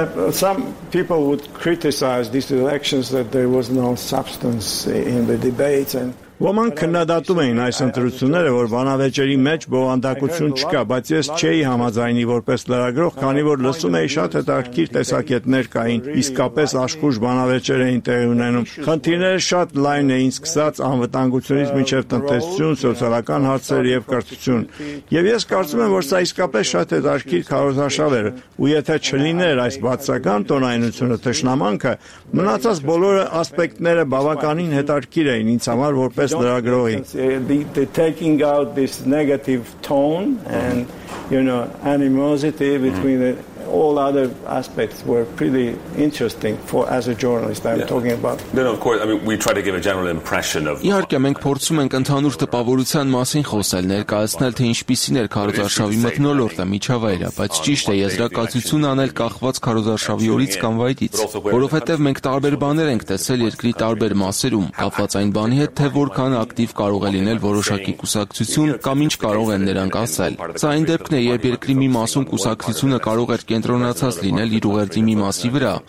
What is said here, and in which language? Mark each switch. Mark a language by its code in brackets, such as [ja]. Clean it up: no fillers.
[en] Some people would criticize these elections that there was no substance in the debates and [hy] Ոմանք քննադատում էին այս ընտրությունները, որ բանավեճերի մեջ բովանդակություն չկա, բայց ես չէի համաձայնի որպես լրագրող, քանի որ լսում էի շատ հետաքրքիր տեսակետներ կային, իսկապես աշխուժ բանավեճեր էին տեղի ունենում։ Խնդիրները շատ լայն էին, սկսած անվտանգությունից մինչև տնտեսություն, սոցիալական հարցեր եւ կրթություն։ Եվ ես կարծում եմ, որ սա իսկապես շատ հետաքրքիր քարոզարշավ էր, ու եթե չլիներ այս բացական տոնայնությունը, թշնամանքը, մնացած բոլոր ասպեկտները բավականին հետաքրքիր էին ինձ համար [en] Don't sense, the taking out this negative tone and, you know, animosity between the all other aspects were pretty interesting for as a journalist I'm talking about. No, of course, I mean we try to give a general impression of. [hy] Իհարկե մենք փորձում ենք ընդհանուր տպավորության մասին խոսել, ներկայացնել թե ինչպիսին էր քարոզարշավի մթնոլորտը, միջավայրը, բայց ճիշտ է եզրակացություն անել կախված քարոզարշավի օրից կամ վայրից, որովհետև մենք տարբեր բաներ ենք տեսել երկրի տարբեր մասերում, կապված այն բանի հետ, թե որքան ակտիվ կարող է լինել որոշակի կուսակցություն կամ ինչ կարող են նրանք ասել։ Սա այն դեպքն է, երբ երկրի մի մասում կուսակցությունը կարող է կենտրոնացած լինել իր ուղերձի մի մասի վրա,